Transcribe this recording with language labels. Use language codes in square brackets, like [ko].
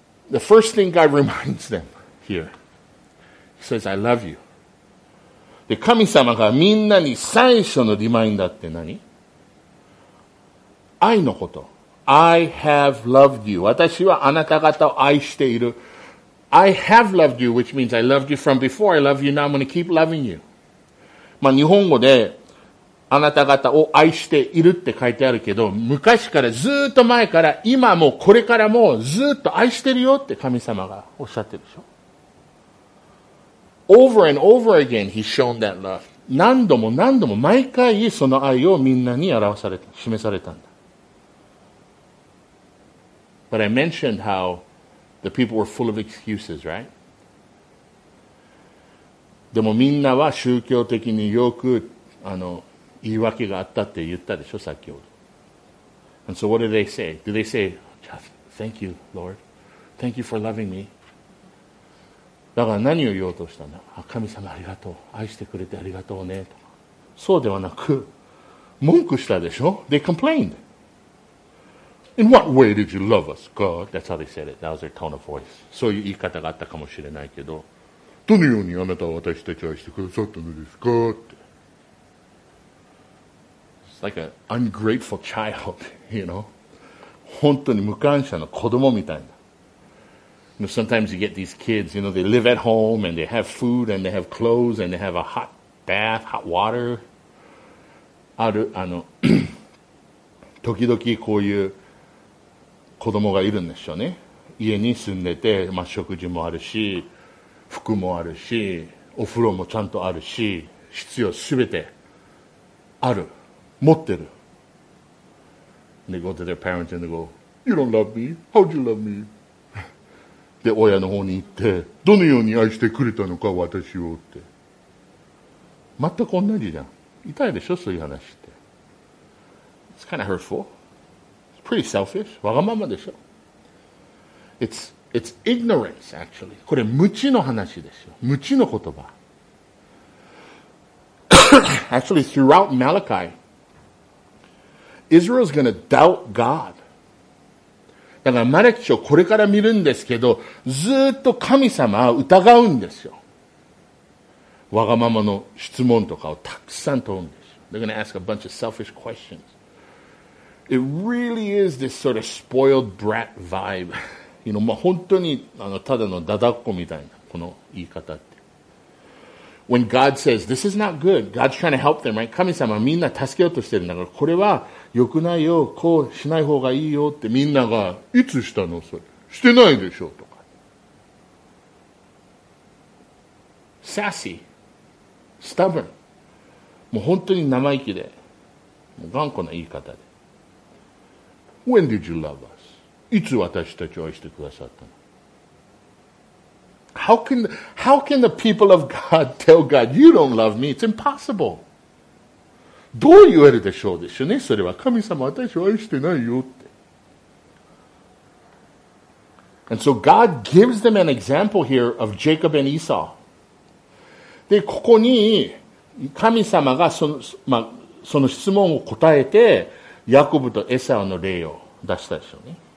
[en] The first thing God reminds them here. He says, I love you. [ja] で神様がみんなに最初のリマインダーって何愛のこと。 [en] I have loved you. [ja] 私はあなた方を愛している。 [en] I have loved you, which means I loved you from before. I love you now. I'm going to keep loving you. [ja] まあ日本語であなた方を愛しているって書いてあるけど、昔からずっと前から今もこれからもずっと愛してるよって神様がおっしゃってるでしょ。 [en] Over and over again, he's shown that love. [ja] 何度も何度も毎回その愛をみんなに表されて示されたんだ。 [en] But I mentioned how the people were full of excuses, right? [ja] でもみんなは宗教的によく言い訳があったって言ったでしょ、先ほど。 [en] And so what do they say? Do they say, thank you, Lord. Thank you for loving me. [ja] だから何を言おうとしたんだ神様ありがとう。愛してくれてありがとうねと。そうではなく、文句したでしょ ? [en] They complained. In what way did you love us, God? That's how they said it. That was their tone of voice. [ja] そういう言い方があったかもしれないけど、どのようにあなたは私たちを愛してくださったのですかって。 [en] It's like an ungrateful child, you know? [ja] 本当に無感謝の子供みたいな。 [en] Sometimes you get these kids, you know, they live at home and they have food and they have clothes and they have a hot bath, hot water. [ja] ある、時々こういう子供がいるんでしょうね。家に住んでて、まあ、食事もあるし、服もあるし、お風呂もちゃんとあるし、必要すべてある。持ってる。 [en] They go to their parents and they go, You don't love me? How do you love me? [ja] で、親の方に行って、どのように愛してくれたのか、私をって。全く同じじゃん。痛いでしょ、そういう話って。 [en] It's kind of hurtful. It's pretty selfish. [ja] わがままでしょ。 [en] It's ignorance, actually. [ja] これ、無知の話でしょ。無知の言葉。 [en] actually, throughout Malachi, Israel is going to doubt God. [ja] だから、マラキ書これから見るんですけど、ずっと神様を疑うんですよ。わがままの質問とかをたくさん問うんですよ。 [en] They're going to ask a bunch of selfish questions. It really is this sort of spoiled brat vibe. [ja] You know, まあ、本当にあのただのダダっ子みたいなこの言い方って。 [en] When God says, this is not good, God's trying to help them, right? [ja] 神様みんな助けようとしてるんだから、これは良くないよ、こうしない方がいいよってみんなが、いつしたのそれ。してないでしょとか。 [en] Sassy. Stubborn. [ja] もう本当に生意気で、もう頑固な言い方で。 [en] When did you love us? [ja] いつ私たちを愛してくださったの？ [en] How can the people of God tell God, you don't love me? It's impossible. [ja] どう言えるでしょうでしょうね、それは。神様、私を愛してないよって。 [en] And so God gives them an example here of Jacob and Esau. [ja] で、ここに神様がその質問を答えて、ヤコブとエサウの例を出したでしょうね。